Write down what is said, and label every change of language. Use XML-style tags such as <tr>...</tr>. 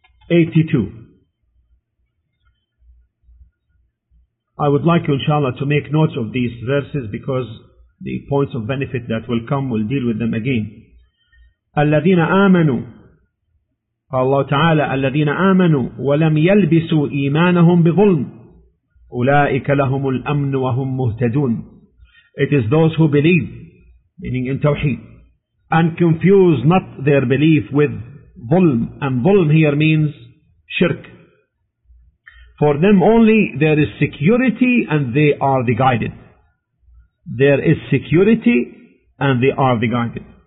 <en>82. I would like you, inshallah, to make notes of these verses because the points of benefit that will come, we'll deal with them again.</en> <ar>الذين آمنوا. Allah Ta'ala, الذين آمنوا ولم يلبسوا إيمانهم بظلم. أولئك لهم الأمن وهم مهتدون.</ar> <en>It is those who believe, meaning in Tawheed, and confuse not their belief with ظلم. And ظلم here means shirk. For them only there is security and they are the guided. There is security and they are the guided.</en>